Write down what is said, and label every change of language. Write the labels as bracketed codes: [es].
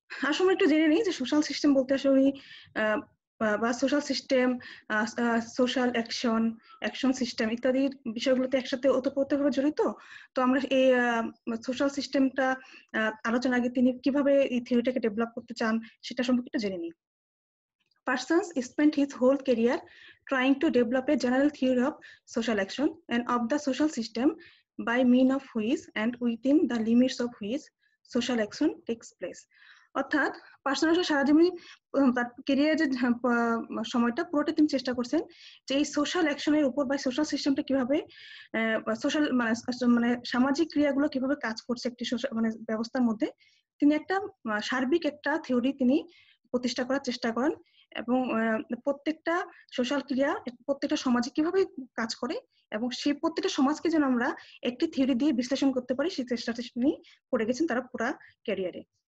[bn] আসলে একটু জেনে নিই যে সোশ্যাল সিস্টেম বলতে আসলে উনি বা social system, social action, action system ইত্যাদি বিষয়গুলোতে একসাথে ওতপ্রোতভাবে জড়িত। তো আমরা এই সোশ্যাল সিস্টেমটা আলোচনার আগে তিনি কিভাবে এই থিওরিটাকে ডেভেলপ করতে চান সেটা সম্পর্কে একটু জেনে নিই। [en] Parsons spent his whole career trying to develop a general theory of social action and of the social system by means of which and within the limits of which social action takes place. [bn] অর্থাৎ personal সারা জীবনই তার কেরিয়ারের সময়টা পুরোটা তিনি চেষ্টা করছেন যে এই সোশ্যাল অ্যাকশনের উপর বা সোশ্যাল সিস্টেমটা কিভাবে সোশ্যাল মানে মানে সামাজিক ক্রিয়াগুলো কিভাবে কাজ করছে একটি মানে ব্যবস্থার মধ্যে, তিনি একটা সার্বিক একটা থিওরি তিনি প্রতিষ্ঠা করার চেষ্টা করেন এবং প্রত্যেকটা সোশ্যাল ক্রিয়া প্রত্যেকটা সমাজে কিভাবে কাজ করে এবং সেই প্রত্যেকটা সমাজকে যেন আমরা একটি থিওরি দিয়ে বিশ্লেষণ করতে পারি, সেই চেষ্টা তিনি করে গেছেন তারা পুরো ক্যারিয়ারে।